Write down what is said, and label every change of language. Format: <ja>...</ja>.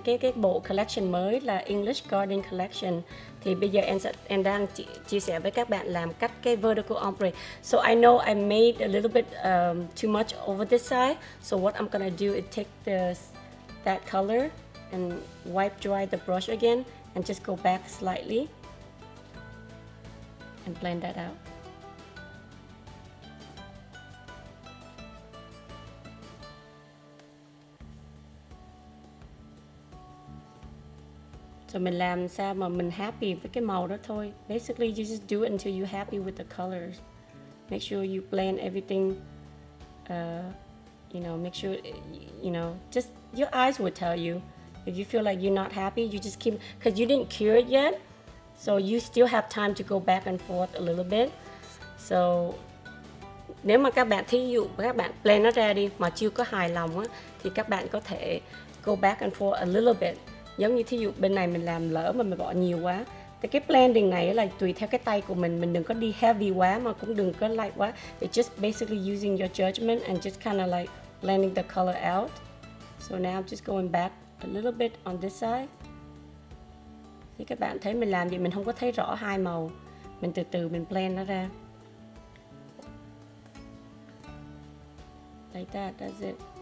<vi>Cái bộ collection mới là English Garden Collection. Thì bây giờ em đang chia sẻ với các bạn làm cách cái vertical ombre.</vi> <en>So I know I made a little bit too much over this side. So what I'm gonna do is take that color and wipe dry the brush again and just go back slightly and blend that out.</en> <vi>So mình làm sao mà mình happy với cái màu đó thôi.</vi> <en>Basically, you just do it until you're happy with the colors. Make sure you blend everything. Make sure, you know, just your eyes will tell you. If you feel like you're not happy, you just keep, because you didn't cure it yet. So you still have time to go back and forth a little bit.</en> <vi>So nếu mà các bạn thí dụ các bạn blend nó ra đi mà chưa có hài lòng á, thì các bạn có thể</vi> <en>go back and forth a little bit.</en> <vi>Giống như thí dụ bên này mình làm lỡ mà mình bỏ nhiều quá, thì cái blending này là tùy theo cái tay của mình. Mình đừng có đi heavy quá mà cũng đừng có light quá.</vi> <en>It's just basically using your judgment and just kind of like blending the color out. So now I'm just going back a little bit on this side.</en> <vi>Thì các bạn thấy mình làm vậy mình không có thấy rõ hai màu. Mình từ từ mình blend nó ra.</vi> <en>Like that, that's it.</en>